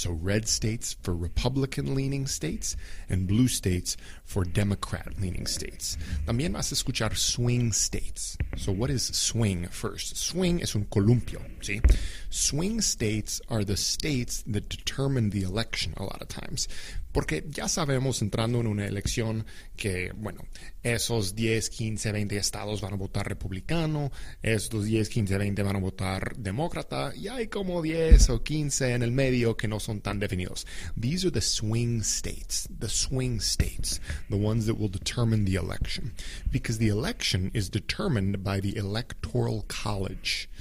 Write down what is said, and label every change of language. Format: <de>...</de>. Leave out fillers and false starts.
<en>So red states for Republican-leaning states and blue states for Democrat-leaning states.</en> <es>También vas a escuchar swing states. So what is swing first? Swing es un columpio, ¿sí?</es> <en>Swing states are the states that determine the election a lot of times.</en> <es>Porque ya sabemos, entrando en una elección, que, bueno, esos 10, 15, 20 estados van a votar republicano, estos 10, 15, 20 van a votar demócrata, y hay como 10 o 15 en el medio que no son tan definidos.</es> <en>These are the swing states, the ones that will determine the election. Because the election is determined by the Electoral College.</en>